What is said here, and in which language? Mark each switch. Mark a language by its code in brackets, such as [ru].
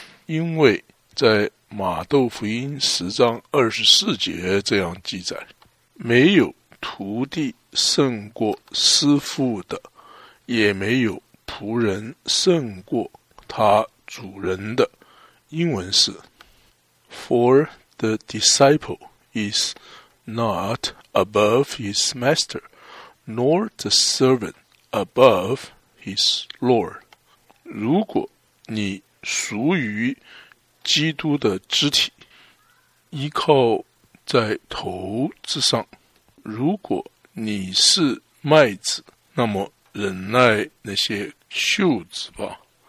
[zh] 因为在马窦福音十章二十四节这样记载，没有徒弟胜过师父的，也没有仆人胜过他主人的。 [en] 英文是 For the disciple is not above his master, nor the servant above his Lord. [zh] 如果你属于基督的肢体，依靠在头之上，如果你是麦子，那么忍耐那些锈子吧。